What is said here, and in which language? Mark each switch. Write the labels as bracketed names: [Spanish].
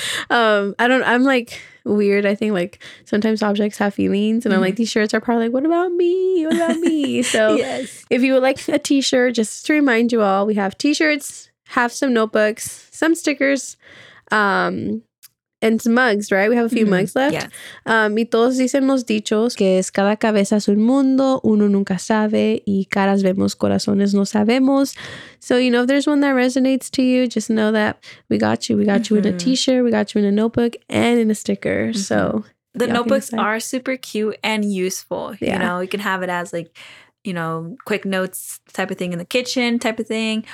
[English] I'm like weird. I think like sometimes objects have feelings. And mm-hmm. I'm like, these shirts are probably like, what about me? So yes. If you would like a t-shirt, just to remind you all, we have t-shirts. Have some notebooks, some stickers, and some mugs, right? We have a few mm-hmm. mugs left. Yeah. [Spanish] Y todos dicen los dichos, que es cada cabeza es un mundo, uno nunca sabe, y caras vemos, corazones no sabemos. [English] So, you know, if there's one that resonates to you, just know that we got you. We got mm-hmm. you in a t-shirt, we got you in a notebook, and in a sticker. Mm-hmm. So the notebooks are super cute and useful. Yeah. You know, you can have it as like, you know, quick notes type of thing in the kitchen type of thing